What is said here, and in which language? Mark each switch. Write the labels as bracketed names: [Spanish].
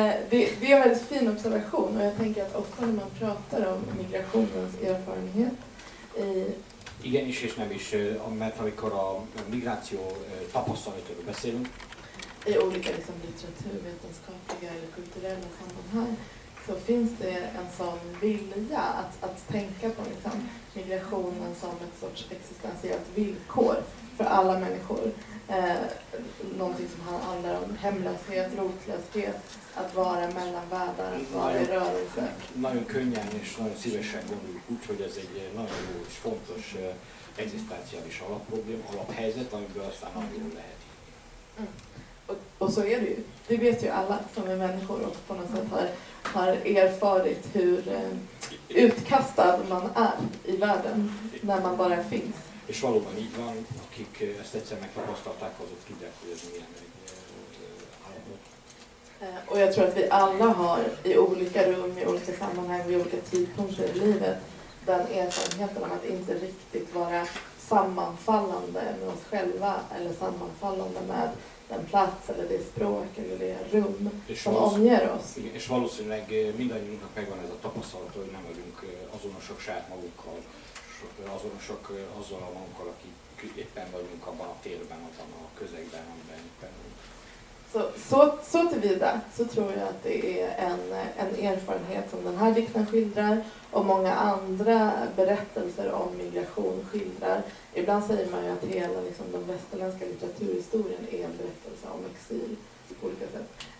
[Swedish] Det är en väldigt fin observation och jag tänker att ofta när man pratar om migrationens erfarenhet i... [Hungarian] Igenis és nem is, mert amikor a migráció tapasztalatokról beszélünk. [Swedish] I olika liksom, litteraturvetenskapliga eller kulturella sammanhang så finns det en sån vilja att tänka på liksom, migrationen som ett sorts existentiellt villkor för alla människor. Någonting som handlar om hemlöshet, rotlöshet, att vara mellan världar, att vara i rörelse. [Hungarian] Nagyon könnyen és nagyon szívesen gondoljuk úgy, hogy ez egy nagyon jó és fontos egzisztenciális alapprobléma, alaphelyzet, amiből aztán nagyon jól lehet írni. [Swedish] Och så är det ju. Det vet ju alla som är människor och på något sätt har erfarit hur utkastad man är i världen när man bara finns. [Hungarian] És valóban így van, akik ezt egyszer megtapasztalták, azok tudják, hogy ez milyen egy állapot. [Swedish] Och jag tror att vi alla har i olika rum, i olika sammanhang, i olika tidpunkter i livet den erfarenheten av att inte riktigt vara sammanfallande med oss själva eller sammanfallande med den plats eller det språk eller det rum som omger oss. [Hungarian] És valószínűleg mindannyiunknak megvan ez a tapasztalat, hogy nem vagyunk azonosok saját magunkkal, azonosok azzal a magunkkal, akik éppen vagyunk abban a térben, abban a közegben, amiben éppen vagyunk. [Swedish] Så till vidare så tror jag att det är en erfarenhet som den här dikten skildrar och många andra berättelser om migration skildrar. Ibland säger man ju att hela liksom, den västerländska litteraturhistorien är en berättelse om exil på olika sätt.